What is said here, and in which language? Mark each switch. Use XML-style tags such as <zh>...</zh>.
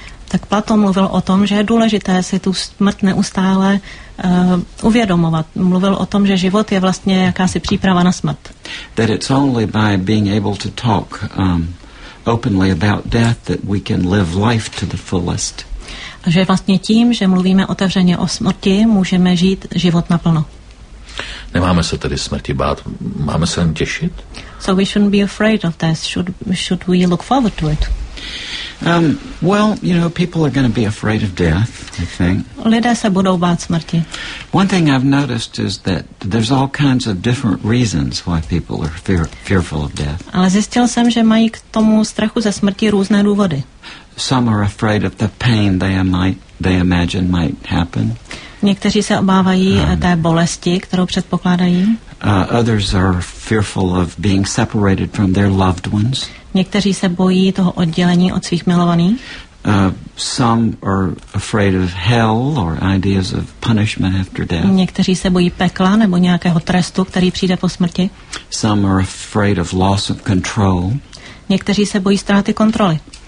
<cs>Tak Platón mluvil o tom, že je důležité si tu smrt neustále uvědomovat. Mluvil o tom, že život je vlastně jakási příprava na smrt.</cs> <en>That it's only by being able to talk openly about death that we can live life to the fullest.</en> <cs>A že vlastně tím, že mluvíme otevřeně o smrti, můžeme žít život naplno. Nemáme se tedy smrti bát, máme se jen těšit?</cs> <en>So we shouldn't be afraid of this. Should we look forward to it? Well, you know, people are going to be afraid of death, I think.</en> <cs>Lidé se budou bát smrti.</cs> <en>One thing I've noticed is that there's all kinds of different reasons why people are fearful of death.</en> <cs>Ale zjistil jsem, že mají k tomu strachu ze smrti různé důvody.</cs> <en>Some are afraid of the pain they imagine might happen.</en> <cs>Někteří se obávají té bolesti, kterou předpokládají.</cs> <en>Others are fearful of being separated from their loved ones.</en> <cs>Někteří se bojí toho oddělení od svých milovaných.</cs> <en>Some are afraid of hell or ideas of punishment after death.</en> <cs>Někteří se bojí pekla nebo nějakého trestu, který přijde po smrti.</cs> <en>Some are afraid of loss of control.</en> <cs>Někteří se bojí ztráty kontroly.</cs>